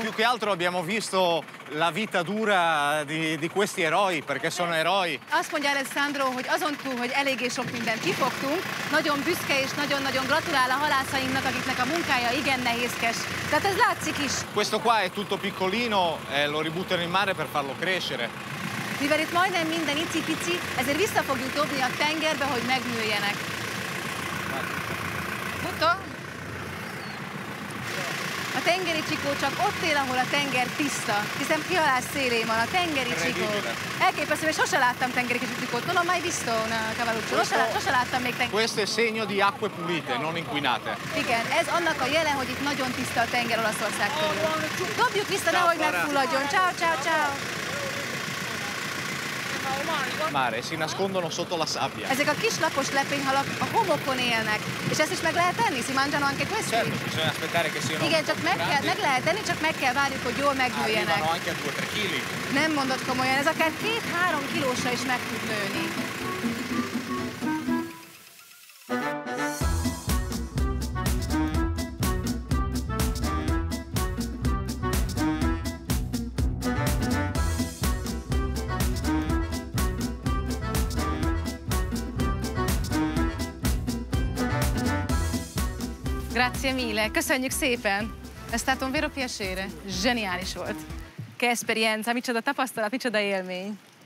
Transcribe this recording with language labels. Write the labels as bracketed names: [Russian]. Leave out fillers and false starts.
[Italian] Più che altro abbiamo visto la vita dura di questi eroi, perché sono eroi. [Hungarian] Azt mondja Alessandro, hogy azon túl, hogy eléggé sok mindent kifogtunk, nagyon büszke és nagyon-nagyon gratulál a halászainknak, akiknek a munkája igen nehézkes. Tehát ez látszik is. [Italian] Questo qua è tutto piccolino, lo ributtano in mare per farlo crescere. [Hungarian] Mivel itt majdnem minden icipici, ezért vissza fogjuk dobni a tengerbe, hogy megnőjenek. A tengeri csikó csak ott él, ahol a tenger tiszta, hiszen kihalász szélén van a tengeri csikó. Elképesztő, hogy sose láttam tengeri csikót. [Italian] Non ho mai visto una cavalluccio. [Hungarian] Sose láttam még tengeri csikót. [Italian] Questo è segno di acque pulite, non inquinate. [Hungarian] Igen, ez annak a jele, hogy itt nagyon tiszta a tenger Olaszország körül. Dobjuk vissza, nehogy megfulladjon. [Italian] Ciao, ciao, ciao. Mare, si nascondono sotto la sabbia. [Hungarian] Ezek a kis lapos lepényhalak a homokon élnek. És ezt is meg lehet enni? [Italian] Si mangiano anche questi? Certo, bisogna aspettare che siano... [Hungarian] Igen, csak meg lehet enni, csak meg kell várjuk, hogy jól megnőjenek. [Italian] Arrivano anche a 2-3 kg. [Hungarian] Nem mondod komolyan, ez akár 2-3 kilósra is meg tud nőni. [Italian] Grazie mille, [Hungarian] köszönjük szépen! [Italian] È stato un vero piacere, [Hungarian] geniális volt! [Italian] Che esperienza, [Hungarian] micsoda tapasztalat, micsoda élmény!